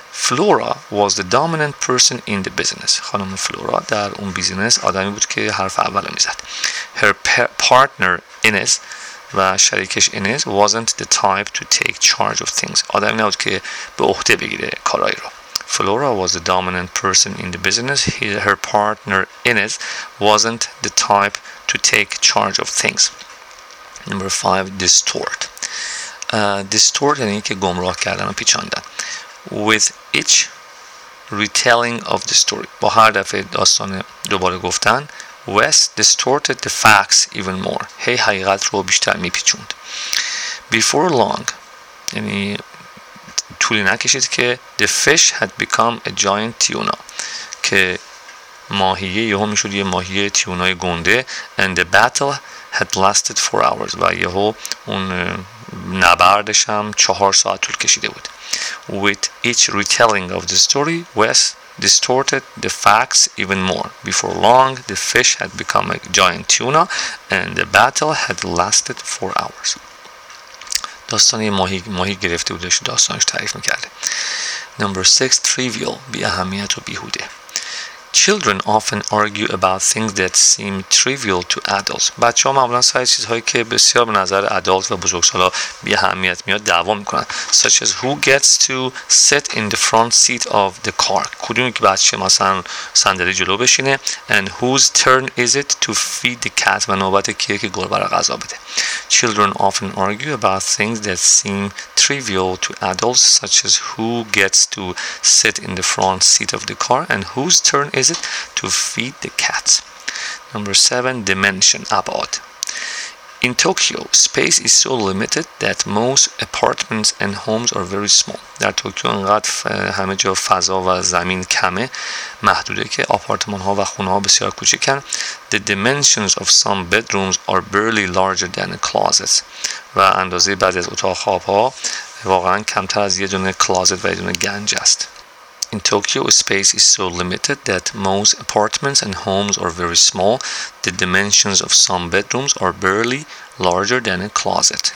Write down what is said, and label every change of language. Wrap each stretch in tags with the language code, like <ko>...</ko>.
<en>Flora was the dominant person in the business.</en> <fa>خانم فلورا در اون بیزینس آدمی بود که حرف اول میزد.</fa> <en>Her partner Ines</en> <fa>و شریکش</fa> <en>Ines wasn't the type to take charge of things.</en> <fa>آدمی نبود که به عهده بگیره کارهایی رو.</fa> <en>Flora was the dominant person in the business. Her partner Ines wasn't the type to take charge of things. Number five, distort.</en> <fa>Distort یعنی که گمراه کردن و پیچاندن.</fa> <en>With each retelling of the story,</en> <fa>با هر دفعه داستان دوباره گفتن،</fa> <en>West distorted the facts even more.</en> <fa>هی حقیقت رو بیشتر میپیچوند.</fa> <en>Before long,</en> <fa>یعنی طولی نکشید که</fa> <en>the fish had become a giant tuna.</en> <fa>که ماهیه یهو میشد یه ماهیه تیونای گنده.</fa> <en>And the battle had lasted 4 hours.</en> <fa>و یهو اون نبردش هم 4 ساعت طول کشیده بود.</fa> <en>With each retelling of the story, Wes distorted the facts even more. Before long, the fish had become a giant tuna and the battle had lasted 4 hours.</en> <fa>داستانی ماهی گرفته بودش، داستانش تعریف میکرده.</fa> <en>Number 6, trivial,</en> <fa>بی اهمیت و بیهوده.</fa> <en>Children often argue about things that seem trivial to adults.</en> <fa>بچه ها معمولا سر چیزهایی که بسیار به نظر ادالت و بزرگسالا بی اهمیت میاد دعوا میکنن.</fa> <en>Such as who gets to sit in the front seat of the car.</en> <fa>کدومی که بچه مثلا صندلی جلو بشینه.</fa> <en>And whose turn is it to feed the cat.</en> <fa>و نوبت کیه که گربه را غذا بده.</fa> <en>Children often argue about things that seem trivial to adults. Such as who gets to sit in the front seat of the car. And whose turn is it to feed the cats. Number 7, dimension, ابعاد. In Tokyo, space is so limited that most apartments and homes are very small.</en> <fa>در توکیو انقدر همه جا فضا و زمین کمه، محدوده که آپارتمان ها و خونه ها بسیار کوچیکن.</fa> <en>The dimensions of some bedrooms are barely larger than a closet.</en> <fa>و اندازه بعضی از اتاق خواب ها واقعا کمتر از یه دونه کلازت و یه دونه گنج است.</fa> <en>In Tokyo, space is so limited that most apartments and homes are very small. The dimensions of some bedrooms are barely larger than a closet.</en>